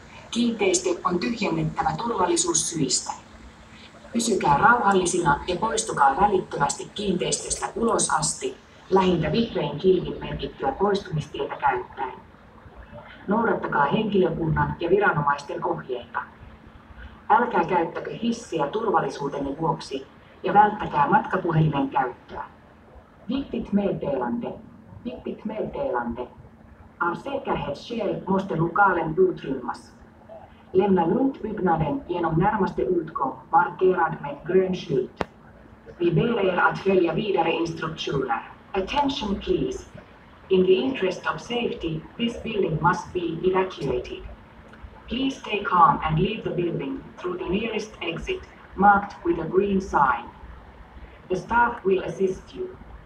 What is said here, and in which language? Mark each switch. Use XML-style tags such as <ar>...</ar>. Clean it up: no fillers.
<fi>Kiinteistö on tyhjennettävä turvallisuussyistä. Pysykää rauhallisina ja poistukaa välittömästi kiinteistöstä ulos asti, lähintä vihreän kilvin merkittyä poistumistietä käyttäen. Noudattakaa henkilökunnan ja viranomaisten ohjeita. Älkää käyttäkö hissiä turvallisuutenne vuoksi ja välttäkää matkapuhelimen käyttöä.</fi> <sv>Viktigt meddelande. Viktigt meddelande. Av säkerhet skäl måste lokalen utrymmas. Lämna lugnt byggnaden genom närmaste utgång markerad med grön skylt. Vi ber er att följa vidare instruktioner.</sv> <en>Attention please. In the interest of safety, this building must be evacuated. Please stay calm and leave the building through the nearest exit marked with a green sign. The staff will assist you.</en>